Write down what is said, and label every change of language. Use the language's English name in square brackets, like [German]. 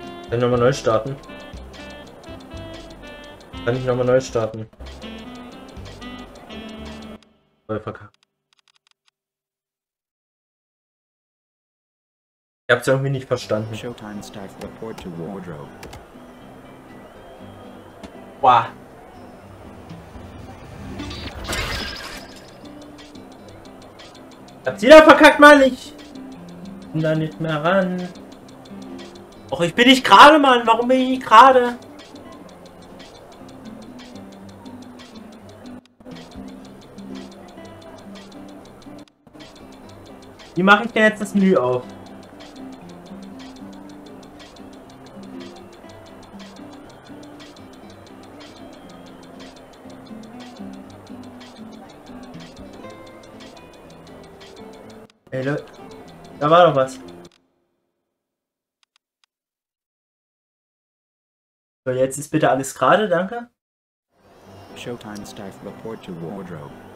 [German] Dann nochmal neu starten. Kann ich nochmal neu starten? Voll verkackt. Ich hab's irgendwie nicht verstanden. [English] Showtime staff report to wardrobe. [German] Boah. Hab's wieder verkackt, Mann. Ich bin da nicht mehr ran. Och, ich bin nicht gerade, Mann. Warum bin ich nicht gerade? Wie mache ich denn jetzt das Menü auf? Da war noch was. So, jetzt ist bitte alles gerade, danke. [English] Showtime staff report to wardrobe.